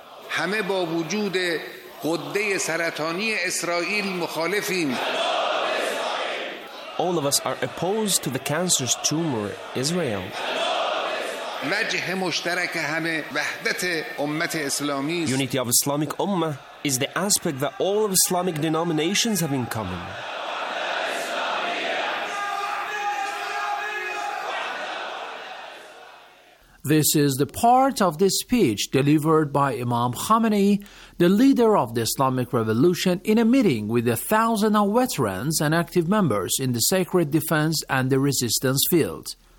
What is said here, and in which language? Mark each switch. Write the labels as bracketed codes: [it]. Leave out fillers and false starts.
[fa] همه با وجود غده سرطانی اسرائیل مخالفیم [en] All of us are opposed to the cancerous tumor Israel [fa] وجه مشترک همه وحدت امت اسلامی [en] Unity of Islamic Ummah is the aspect that all of Islamic denominations have in common. This is the part of this speech delivered by Imam Khamenei, the leader of the Islamic Revolution, in a meeting with a thousand of veterans and active members in the sacred defense and the resistance field.